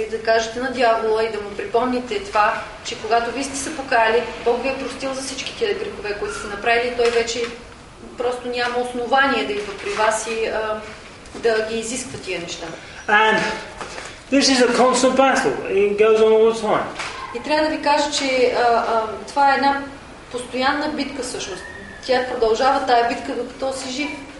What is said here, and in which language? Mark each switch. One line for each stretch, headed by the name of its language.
Bulgarian: Вие да кажете на дявола и да му припомните това, че когато вие сте се покаяли, Бог ви е простил за всички тия грехове, които сте направили, и той вече просто няма основание да идва при вас и да ги изисква тия неща.
English: And this is a constant battle. It goes on all the time.
Bulgarian: И трябва да ви кажа, че това е една постоянна битка всъщност. Тя продължава тая битка, докато си жив.